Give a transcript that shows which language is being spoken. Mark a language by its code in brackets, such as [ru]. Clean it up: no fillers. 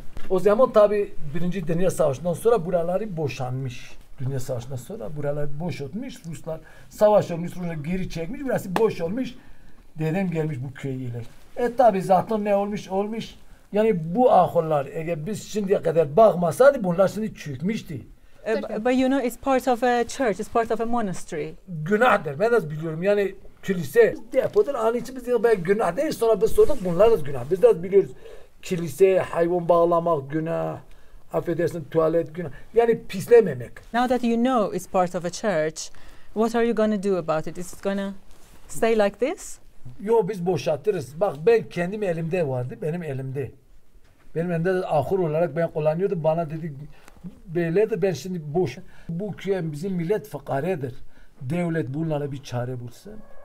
[tr] O zaman tabii Birinci Dünya Savaşı'ndan sonra buraları boşanmış. Dünya Savaşı'ndan sonra buraları boş olmuş. Ruslar savaş olmuş, Ruslar geri çekmiş. Burası boş olmuş. Dedem gelmiş bu köye ile. Tabii zaten ne olmuş, olmuş. Yani bu ahullar eğer biz şimdiye kadar bakmasaydı bunlar şimdi çökmüştü. [en] But you know it's part of a church, it's part of a monastery. [tr] Günahdır, ben de biliyorum yani kilise depodur. Anı için biz de günah değil, sonra biz sorduk bunlar da günah. Biz de biliyoruz kilise, hayvan bağlamak günah, affedersin tuvalet günah. Yani pislememek. [en] Now that you know it's part of a church, what are you going to do about it? Is it going to stay like this? [tr] Yo, biz boşaltırız. Bak ben kendim elimde vardı, benim elimde. Benim elimde de ahur olarak ben kullanıyordum. Bana dedi, böyle de ben şimdi boş. Bu köy bizim millet fıkaredir. Devlet bunlara bir çare bulsun.